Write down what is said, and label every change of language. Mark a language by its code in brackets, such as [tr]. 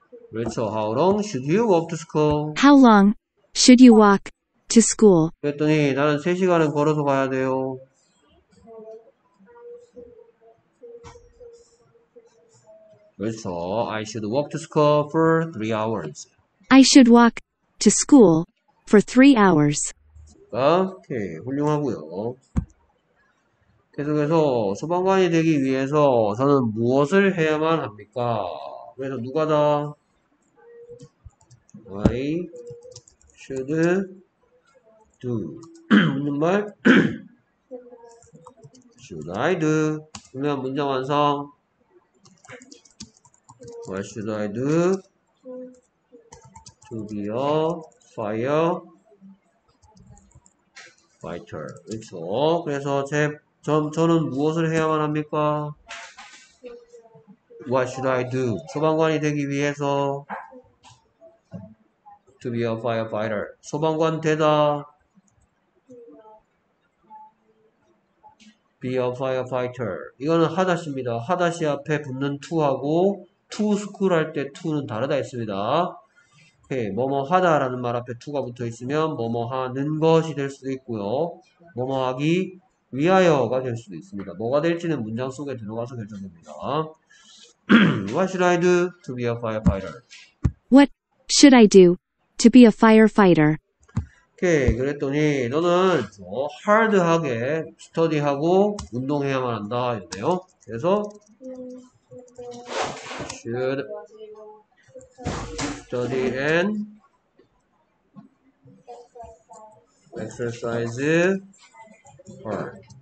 [en] Rachel, how long should you walk to school? How long should you walk to school? [ko] 그랬더니 나는 3시간은 걸어서 가야 돼요. [en] 그래서 I should walk to school for 3 hours. I should walk to school for 3 hours. [ko] 오케이, 훌륭하고요. 계속해서 소방관이 되기 위해서 저는 무엇을 해야만 합니까? 그래서 누가다? [en] I should do. [ko] 묻는 말. [en] Should I do? [ko] 그러면 문장 완성. [en] What should I do to be a fire fighter? [ko] 그렇죠. 그래서 저는 무엇을 해야만 합니까? [en] What should I do? [ko] 소방관이 되기 위해서 [en] to be a firefighter. [ko] 소방관 되다. [en] Be a firefighter. [ko] 이거는 하다시입니다. 하다시 앞에 붙는 투하고 to school 할때 to는 다르다 했습니다. 오케이. 뭐뭐 하다라는 말 앞에 to가 붙어 있으면 뭐뭐 하는 것이 될 수도 있고요. 뭐뭐 하기 위하여가 될 수도 있습니다. 뭐가 될지는 문장 속에 들어가서 결정됩니다. [en] What should I do to be a firefighter? What should I do to be a firefighter? [ko] 오케이. 그랬더니 너는 하드하게 스터디하고 운동해야만 한다 했네요. [en] 그래서 should study and exercise hard.